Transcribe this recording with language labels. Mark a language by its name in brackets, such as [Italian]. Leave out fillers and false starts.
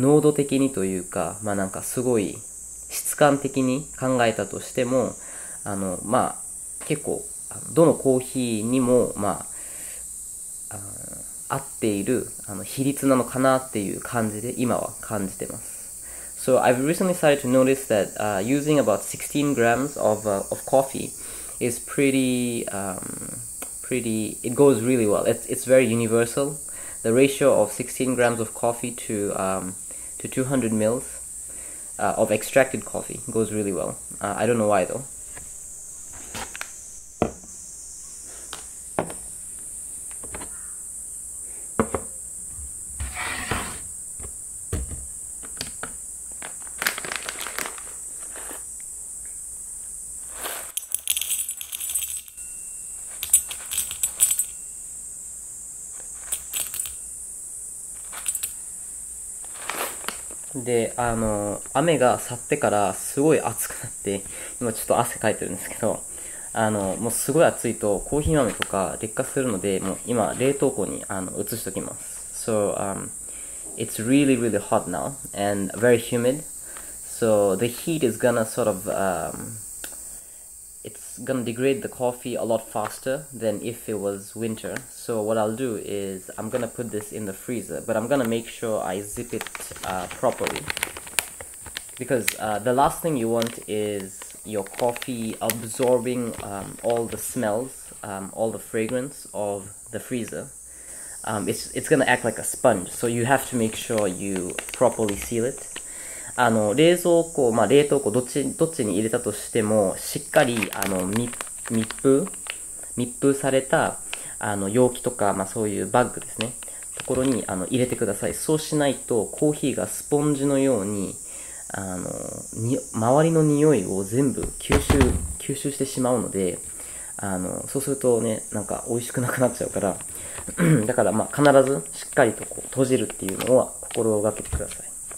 [Japanese] 濃度的にというか、まあ、なんかすごい質感的に考えたとしても、まあ、結構、どのコーヒーにも、まあ、合っている、比率なのかなっていう感じで、今は感じてます。 [English] So, I've recently started to notice that, using about 16 grams of,、of coffee is pretty,、pretty, it goes really well. It's very universal. The ratio of 16 grams of coffee to,、to 200 mils、of extracted coffee goes really well.、I don't know why though. [Japanese] で、雨が去ってからすごい暑くなって、今ちょっと汗かいてるんですけど、もうすごい暑いとコーヒー豆とか劣化するので、もう今冷凍庫に、移しときます。 [English] So, it's really, really hot now and very humid. So, the heat is gonna sort of, it's gonna degrade the coffee a lot faster than if it was winter. So what I'll do is I'm gonna put this in the freezer, but I'm gonna make sure I zip it、properly. Because、the last thing you want is your coffee absorbing、all the smells,、all the fragrance of the freezer.、it's gonna act like a sponge, so you have to make sure you properly seal it. [Japanese] 冷蔵庫、まあ、冷凍庫、どっちに入れたとしても、しっかり、密封された、容器とか、まあ、そういうバッグですね。ところに、入れてください。そうしないと、コーヒーがスポンジのように、周りの匂いを全部吸収してしまうので、そうするとね、なんか、美味しくなくなっちゃうから、だから、まあ、必ず、しっかりとこう、閉じるっていうのは、心がけてください。